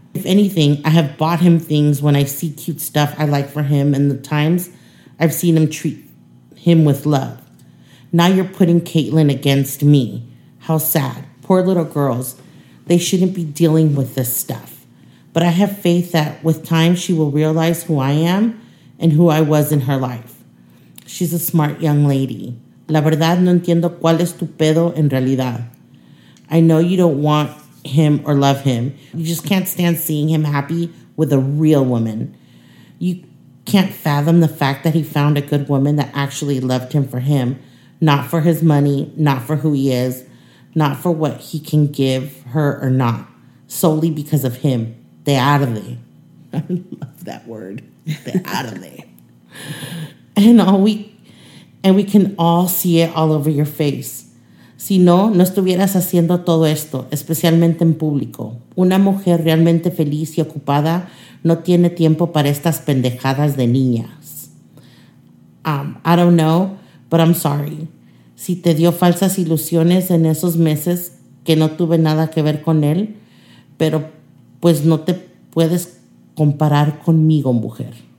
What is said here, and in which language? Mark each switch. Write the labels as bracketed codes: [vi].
[en] If anything, I have bought him things when I see cute stuff I like for him and the times I've seen him treat him with love. Now you're putting Caitlin against me. How sad. Poor little girls. They shouldn't be dealing with this stuff. But I have faith that with time she will realize who I am and who I was in her life. She's a smart young lady. [es] La verdad no entiendo cuál es tu pedo en realidad. [en] I know you don't want him or love him. You just can't stand seeing him happy with a real woman. You can't fathom the fact that he found a good woman that actually loved him for him, not for his money, not for who he is, not for what he can give her or not, solely because of him. De Adelaide. I love that word. De Adelaide. And we can all see it all over your face. [es] Si no, no estuvieras haciendo todo esto, especialmente en público. Una mujer realmente feliz y ocupada no tiene tiempo para estas pendejadas de niñas. [en] I don't know, but I'm sorry. [es] Si te dio falsas ilusiones en esos meses que no tuve nada que ver con él, pero pues no te puedes comparar conmigo, mujer.